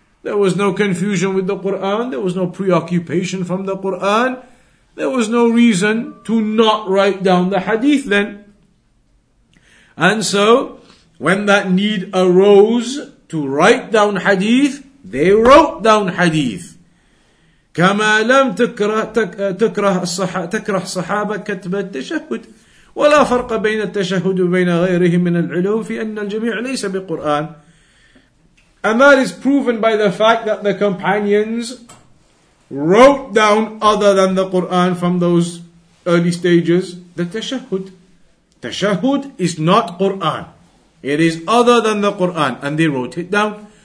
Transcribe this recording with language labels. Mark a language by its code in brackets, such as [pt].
[en] There was no confusion with the Quran. There was no preoccupation from the Quran. There was no reason to not write down the hadith then. And so, when that need arose to write down hadith, they wrote down hadith. [ar] كما لم تكره الصحابة كتب التشهد ولا فرق بين التشهد وبين غيره من العلوم في أن الجميع ليس بقرآن. [en] And that is proven by the fact that the companions wrote down other than the Quran from those early stages the tashahhud. Tashahhud is not Quran. It is other than the Quran, and they wrote it down.